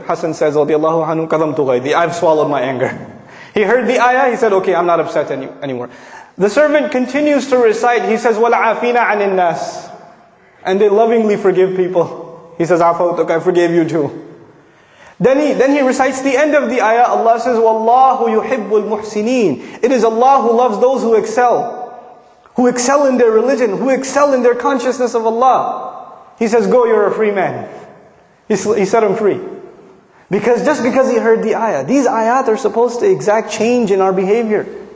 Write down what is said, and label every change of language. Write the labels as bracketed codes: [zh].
[en] Hassan says radiallahu anhu, [ar] قَظَمْتُ غَيْظِ. [en] I've swallowed my anger. He heard the ayah, he said, okay, I'm not upset anymore. The servant continues to recite, he says, [ar] وَالْعَافِينَ عَنِ النَّاسِ. [en] And they lovingly forgive people. He says, [ar] عَفَوْتُكَ, [en] I forgave you too. Then he recites the end of the ayah. Allah says, [ar] وَاللَّهُ يُحِبُّ الْمُحْسِنِينَ. [en] It is Allah who loves those who excel. Who excel in their religion, who excel in their consciousness of Allah. He says, go, you're a free man. He set him free. Because just because he heard the ayah, these ayat are supposed to exact change in our behavior.